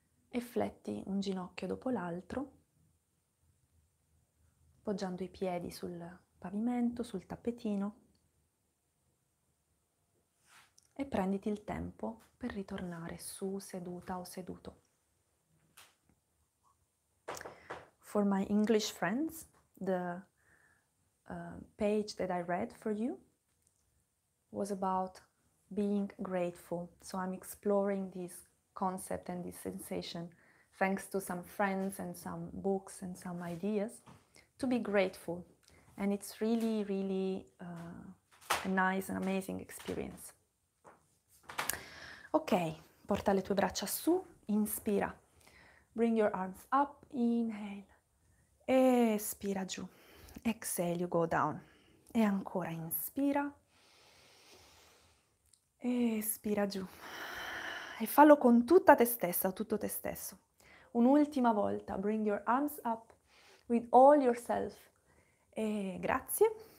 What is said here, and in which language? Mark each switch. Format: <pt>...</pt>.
<it>E fletti un ginocchio dopo l'altro, poggiando i piedi sul pavimento, sul tappetino, e prenditi il tempo per ritornare su, seduta o seduto.</it> <en>for my English friends the page that I read for you was about being grateful. So I'm exploring this concept and this sensation thanks to some friends and some books and some ideas to be grateful. And it's really, really a nice and amazing experience.</en> <it>Okay, porta le tue braccia su, inspira.</it> <en>Bring your arms up, inhale.</en> <it>Espira giù.</it> <en>Exhale, you go down.</en> <it>E ancora, inspira. Espira giù. E fallo con tutta te stessa, tutto te stesso. Un'ultima volta,</it> <en>bring your arms up with all yourself.</en> <it>E grazie.</it>